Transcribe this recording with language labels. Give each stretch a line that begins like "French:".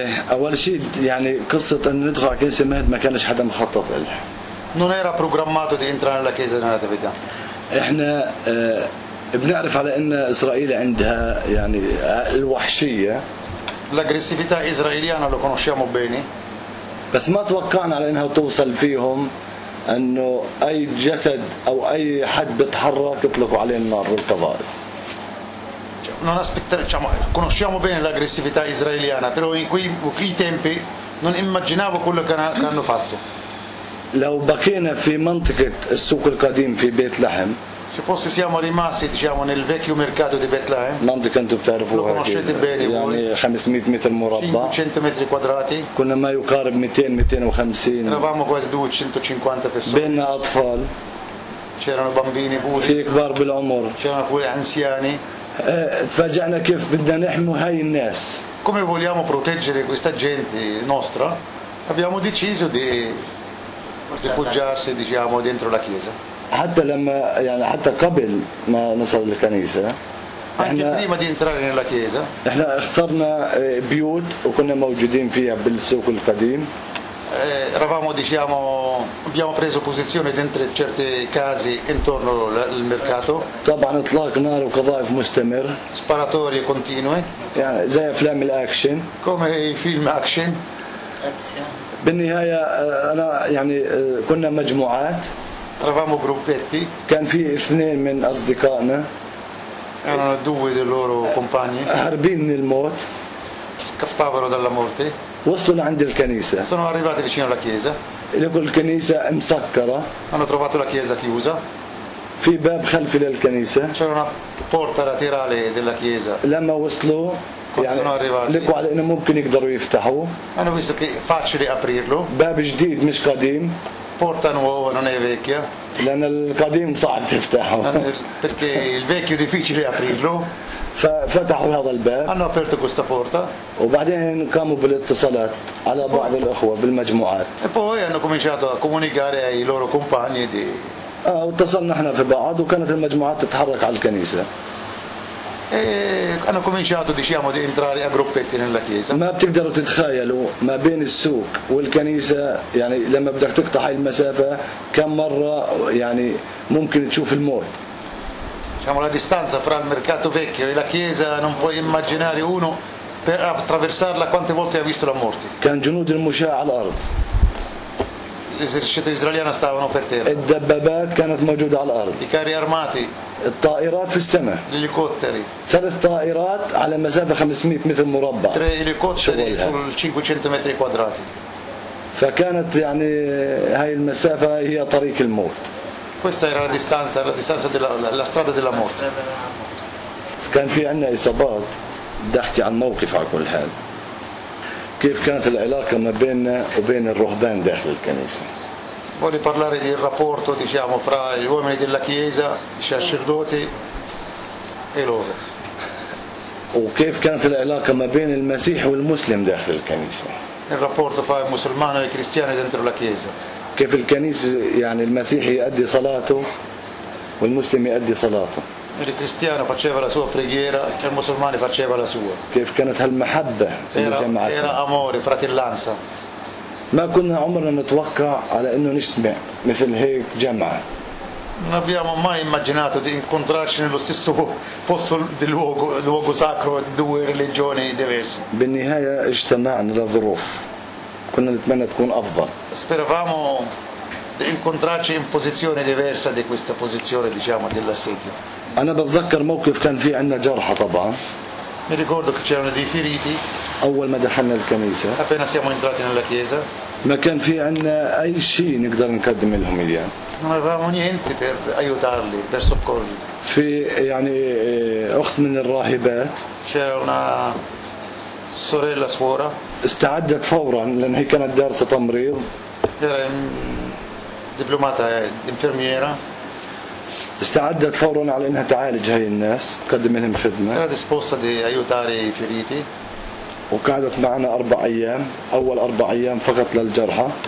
Arabic: أول شيء يعني قصة أن ندخل على كنيسة المهد ما كانش حدا مخطط لها.
Italian: Non era programmato di entrare nella chiesa della Natività.
Arabic: إحنا بنعرف على أن إسرائيل عندها يعني الوحشية.
Italian: L'aggressività israeliana lo conosciamo bene.
Arabic: بس ما توقعنا على انها توصل فيهم انه اي جسد او اي حد بتحرك يطلقوا عليه النار والقضايا.
Italian: Non aspettavamo, conosciamo bene l'aggressività israeliana, però in quei tempi non immaginavo quello che hanno fatto.
Arabic: لو بقينا في منطقة السوق القديم في بيت لحم.
Italian: Se fosse siamo rimasti diciamo nel vecchio mercato di Betlehem. Non ti canto per voi. Lo conoscete bene voi.
Arabic: يعني 500 متر مربع.
Italian: 500 متر quadrati.
Arabic: كنا ما يقارب 200-250.
Italian: Eravamo quasi 250 persone.
Arabic: بين أطفال.
Italian: C'erano bambini pure.
Arabic: في كبار بالعمر.
Italian: C'erano pure anziani.
Arabic: فجأنا كيف بدنا نحمي هاي الناس.
Italian: Come vogliamo proteggere questa gente nostra? Abbiamo deciso di rifugiarsi diciamo dentro la chiesa.
Arabic: حتى لما يعني حتى قبل ما نصل للكنيسة.
Italian: احنا prima di entrare nella chiesa.
Arabic: احنا اخترنا بيوت وكنا موجودين فيها بالسوق القديم.
Italian: Eravamo diciamo abbiamo preso posizione dentro certe case intorno al mercato.
Arabic: طبعا اطلاق نار وقذائف مستمر.
Italian: Sparatorie continue.
Arabic: يعني زي افلام الاكشن.
Italian: Come i film action.
Arabic: بالنهاية انا يعني كنا مجموعات.
Italian: Eravamo gruppetti.
Arabic: كان في اثنين من أصدقائنا.
Italian: Erano due dei loro compagni.
Arabic: هربين من الموت.
Italian: Scappavano dalla morte.
Arabic: وصلوا لعند الكنيسة.
Italian: Sono arrivati vicino alla chiesa.
Arabic: لقوا الكنيسة مسكرة.
Italian: Hanno trovato la chiesa chiusa.
Arabic: في باب خلفي للكنيسة.
Italian: C'era una porta laterale della chiesa.
Arabic: لما وصلوا.
Italian: Quando sono arrivati.
Arabic: لقوا على إنه ممكن يقدروا يفتحوا.
Italian: Hanno visto che facile aprirlo.
Arabic: باب جديد مش قديم.
Italian: Porta nuova non è vecchia.
Arabic: لأن القديم صعب تفتحه.
Italian: Perché il vecchio è difficile aprirlo.
Arabic: ففتحوا هذا الباب.
Italian: Hanno aperto questa porta.
Arabic: وبعدين قاموا بالاتصالات على بعض الأخوة بالمجموعات.
Italian: E poi hanno cominciato a comunicare ai loro compagni di.
Arabic: واتصلنا احنا في بعض وكانت المجموعات تتحرك على الكنيسة.
Italian: E hanno cominciato diciamo di entrare a gruppetti nella chiesa.
Arabic: ما بتقدروا تتخيلوا ما بين السوق والكنيسة يعني لما بدك تقطع هاي المسافة كم مرة يعني ممكن تشوف الموت.
Italian: Diciamo la distanza fra il mercato vecchio e la chiesa non puoi immaginare uno per attraversarla quante volte ha visto la morte.
Arabic: كان جنود المشاة على الأرض.
Italian: L'esercito israeliano stavano per terra.
Arabic: الدبابات كانت موجودة على الأرض.
Italian: I carri armati.
Arabic: الطائرات في السماء.
Italian: L'elicotteri.
Arabic: ثلاث طائرات على مسافة 500 متر مربع.
Italian: Tre elicotteri sul 500 metri quadrati.
Arabic: فكانت يعني هاي المسافة هي طريق الموت.
Italian: Questa era la distanza della la strada della morte.
Arabic: كان في عنا إصابات. بدي أحكي عن موقف على كل حال. كيف كانت العلاقة ما بيننا وبين الرهبان داخل الكنيسة؟
Italian: Voglio parlare del rapporto, diciamo, fra gli uomini della chiesa, i sacerdoti e loro.
Arabic: وكيف كانت العلاقة ما بين المسيح والمسلم داخل الكنيسة؟
Italian: il rapporto fra musulmano e cristiano dentro la chiesa.
Arabic: كيف الكنيسة يعني المسيحي يؤدي صلاته والمسلم يؤدي صلاته؟
Italian: il cristiano faceva la sua preghiera e il musulmano faceva la sua.
Arabic: كيف كانت هالمحبة في الجماعة؟
Italian: era amore, fratellanza.
Arabic: ما كنا عمرنا نتوقع على إنه نسمع مثل هيك جمعة.
Italian: Non abbiamo mai immaginato di incontrarci nello stesso posto del luogo, luogo sacro, due religioni diverse.
Arabic: بالنهاية اجتمعنا لظروف كنا نتمنى تكون أفضل.
Italian: Speravamo di incontrarci in posizione diversa di questa posizione, diciamo, dell'assedio.
Arabic: أنا بتذكر موقف كان فيه عندنا جرحى طبعا.
Italian: Mi ricordo che c'erano dei feriti.
Arabic: أول ما دخلنا الكنيسة.
Italian: Appena siamo entrati nella chiesa.
Arabic: ما كان في عنا أي شيء نقدر نقدم لهم إياه.
Italian: Non avevamo niente per aiutarli, per soccorrerli.
Arabic: في يعني أخت من الراهبات.
Italian: C'era una sorella suora.
Arabic: استعدت فورا لأن هي كانت دارسة تمريض.
Italian: Era diplomata infermiera.
Arabic: استعدت فورا على أنها تعالج هاي الناس تقدم لهم خدمة.
Italian: Era disposta di aiutare i feriti.
Arabic: وقعدت معنا أربع أيام أول أربع أيام فقط للجرحى.